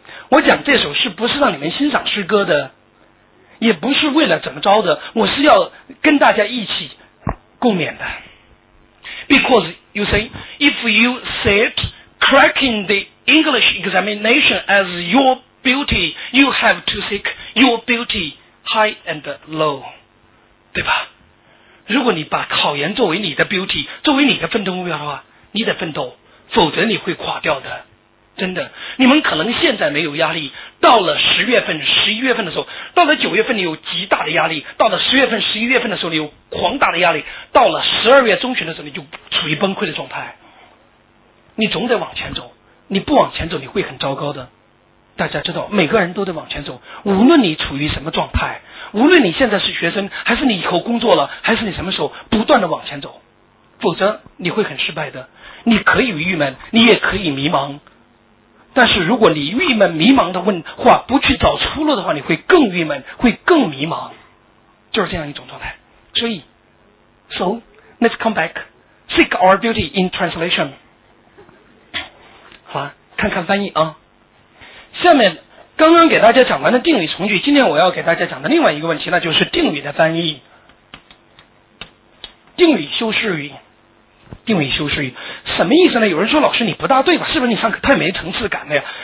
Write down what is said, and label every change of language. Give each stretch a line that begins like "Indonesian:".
Chinese: 我讲这首诗不是让你们欣赏诗歌的，也不是为了怎么着的，我是要跟大家一起共勉的。
English: Because you say, if you set cracking the English examination as your beauty, you have to seek your beauty high and low,
Chinese: 对吧？如果你把考研作为你的 beauty, 作为你的奋斗目标的话，你得奋斗，否则你会垮掉的。真的，你们可能现在没有压力，到了十月份、十一月份的时候，到了九月份你有极大的压力，到了十月份、十一月份的时候你有狂大的压力，到了十二月中旬的时候你就处于崩溃的状态。你总得往前走，你不往前走你会很糟糕的。大家知道，每个人都得往前走，无论你处于什么状态，无论你现在是学生，还是你以后工作了，还是你什么时候，不断的往前走，否则你会很失败的。你可以郁闷，你也可以迷茫。但是如果你郁闷迷茫的话，不去找出路的话，你会更郁闷，会更迷茫，就是这样一种状态。所以
English: So let's come back, seek our beauty in translation.
Chinese: 好，看看翻译啊。下面刚刚给大家讲完的定语从句，今天我要给大家讲的另外一个问题，那就是定语的翻译，定语修饰语。定语修饰语什么意思呢？有人说，老师你不大对吧，是不是你上课太没层次感了呀？